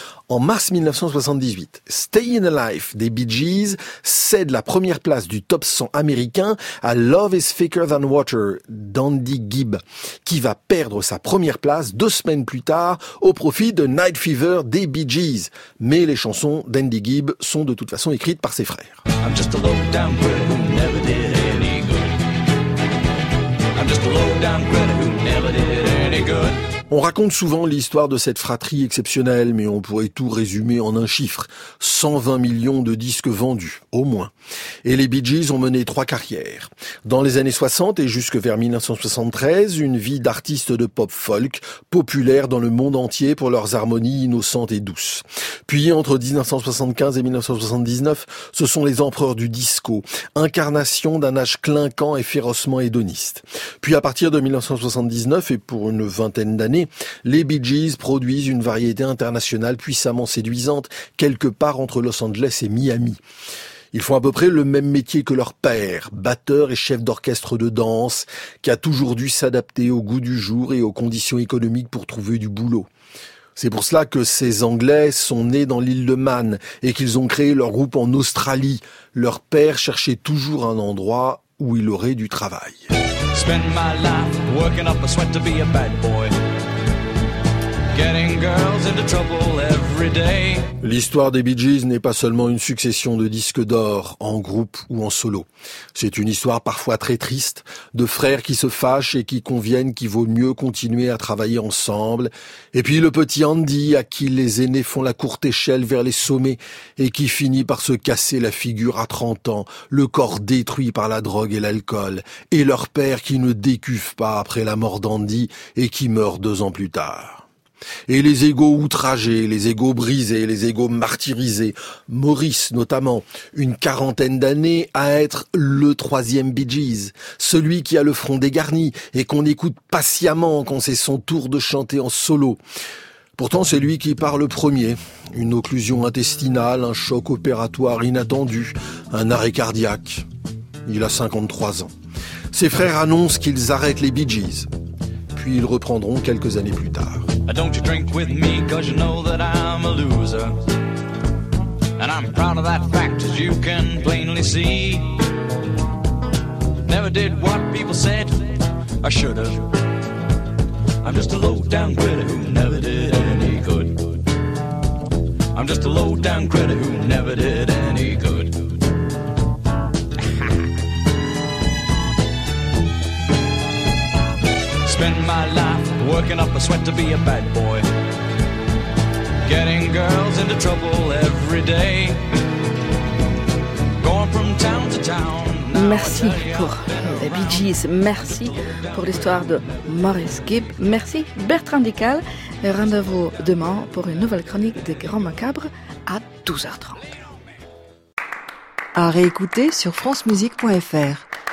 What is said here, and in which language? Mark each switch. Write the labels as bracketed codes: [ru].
[fr] En mars 1978, Stayin' Alive des Bee Gees cède la première place du top 100 américain à Love is Thicker Than Water d'Andy Gibb, qui va perdre sa première place deux semaines plus tard au profit de Night Fever des Bee Gees. Mais les chansons d'Andy Gibb sont de toute façon écrites par ses frères. [en] I'm just a low-down critter who never did any good. I'm just a low-down critter who never did any good. [fr] On raconte souvent l'histoire de cette fratrie exceptionnelle, mais on pourrait tout résumer en un chiffre. 120 millions de disques vendus, au moins. Et les Bee Gees ont mené trois carrières. Dans les années 60 et jusque vers 1973, une vie d'artistes de pop folk, populaires dans le monde entier pour leurs harmonies innocentes et douces. Puis, entre 1975 et 1979, ce sont les empereurs du disco, incarnation d'un âge clinquant et férocement hédoniste. Puis, à partir de 1979, et pour une vingtaine d'années, les Bee Gees produisent une variété internationale puissamment séduisante, quelque part entre Los Angeles et Miami. Ils font à peu près le même métier que leur père, batteur et chef d'orchestre de danse, qui a toujours dû s'adapter au goût du jour et aux conditions économiques pour trouver du boulot. C'est pour cela que ces Anglais sont nés dans l'île de Man et qu'ils ont créé leur groupe en Australie. Leur père cherchait toujours un endroit où il aurait du travail. [en] Spend my life working up a sweat to be a bad boy. Getting girls into trouble every day. [fr] L'histoire des Bee Gees n'est pas seulement une succession de disques d'or, en groupe ou en solo. C'est une histoire parfois très triste, de frères qui se fâchent et qui conviennent qu'il vaut mieux continuer à travailler ensemble. Et puis le petit Andy, à qui les aînés font la courte échelle vers les sommets et qui finit par se casser la figure à 30 ans, le corps détruit par la drogue et l'alcool. Et leur père qui ne décuve pas après la mort d'Andy et qui meurt 2 ans plus tard. Et les égos outragés, les égos brisés, les égos martyrisés. Maurice, notamment, une quarantaine d'années à être le troisième Bee Gees, celui qui a le front dégarni et qu'on écoute patiemment quand c'est son tour de chanter en solo. Pourtant, c'est lui qui part le premier. Une occlusion intestinale, un choc opératoire inattendu, un arrêt cardiaque. Il a 53 ans. Ses frères annoncent qu'ils arrêtent les Bee Gees. Puis ils reprendront quelques années plus tard. [en] Don't you drink with me, 'cause you know that I'm a loser. And I'm proud of that fact, as you can plainly see. Never did what people said I should have. I'm just a low-down critter who never did any good. I'm just a low-down critter who never did any good. Spend my life working up a sweat to be a bad boy. Getting girls into trouble every day. Going from town to town. [fr] Merci pour les Bee Gees, merci pour l'histoire de Maurice Gibb, merci Bertrand Dical. Et rendez-vous demain pour une nouvelle chronique des Grands Macabres à 12h30. À réécouter sur francemusique.fr.